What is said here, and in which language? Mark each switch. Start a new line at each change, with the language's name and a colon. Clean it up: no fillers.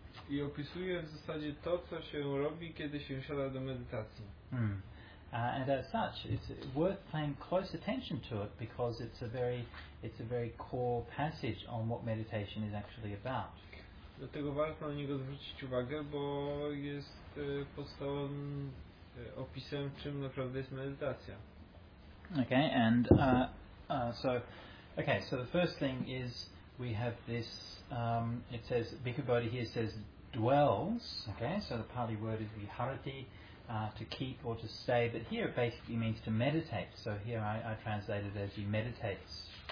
Polish: I opisuje w zasadzie to, co się robi, kiedy się siada do medytacji.
English: And as such, it's worth paying close attention to it because it's a very core passage on what meditation is actually about.
Polish: Dlatego warto na niego zwrócić uwagę, bo jest podstawowym opisem, czym naprawdę jest medytacja.
English: Okay, and so the first thing is we have this. It says Bhikkhu Bodhi here says dwells, okay, so the Pali word is viharati, to keep or to stay, but here it basically means to meditate, so here I translate it as he meditates.